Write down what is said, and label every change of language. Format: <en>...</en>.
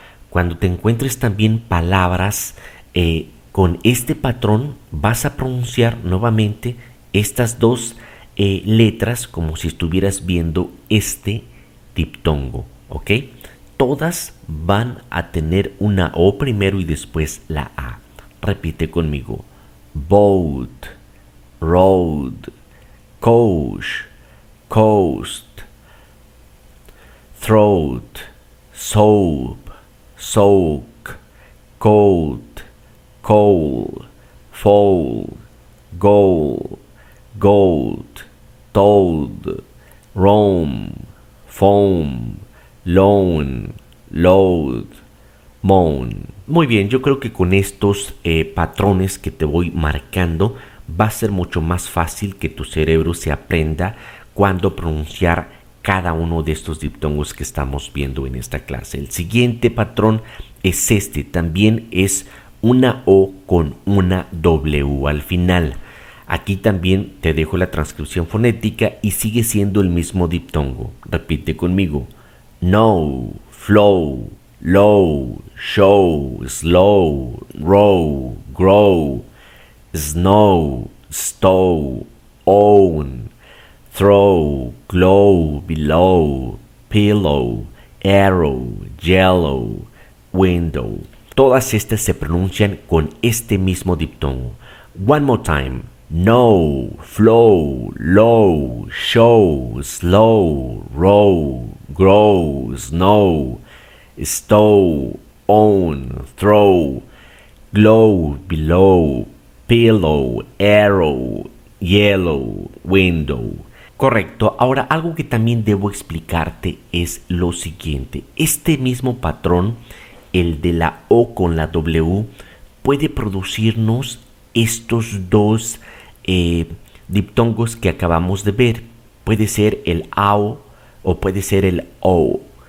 <es>Cuando te encuentres también palabras con este patrón, vas a pronunciar nuevamente estas dos letras como si estuvieras viendo este diptongo, ¿ok? Todas van a tener una O primero y después la A. Repite conmigo.</es> <en>Boat, road, coach, coast, throat, soap, soak, coat, coal, fall, goal, gold, told, roam, foam, loan, load, moan.</en> <es>Muy bien, yo creo que con estos patrones que te voy marcando va a ser mucho más fácil que tu cerebro se aprenda cuando pronunciar cada uno de estos diptongos que estamos viendo en esta clase. El siguiente patrón es este, también es una O con una W al final. Aquí también te dejo la transcripción fonética y sigue siendo el mismo diptongo. Repite conmigo.</es> <en>No, flow, low, show, slow, row, grow, snow, stow, own, throw, glow, below, pillow, arrow, yellow, window.</en> <es>Todas estas se pronuncian con este mismo diptongo.</es> <en>One more time. No, flow, low, show, slow, row, grow, snow, stow, own, throw, glow, below, pillow, arrow, yellow, window.</en> <es>Correcto. Ahora, algo que también debo explicarte es lo siguiente. Este mismo patrón, el de la O con la W, puede producirnos estos dos diptongos que acabamos de ver. Puede ser el AO o puede ser el O.</es>